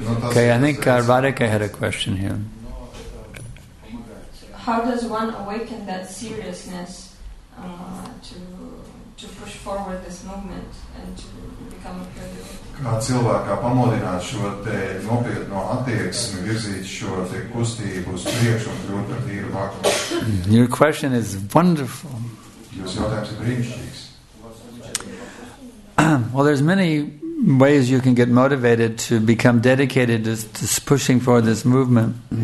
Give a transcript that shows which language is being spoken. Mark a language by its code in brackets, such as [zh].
[en] Okay, I think Radhika had a question here. How does one awaken that seriousness to push forward this movement and to become a pure devotee? [lv] Kā cilvēkā pamodināt šo te nopietno attieksmi, virzīt šo te kustību uz priekšu un kļūt par tīru bhakti? [en] Your question is wonderful. [lv] Jūs jautājums ir brīnišķīgs. [en] Well, there's many ways you can get motivated to become dedicated to pushing forward this movement.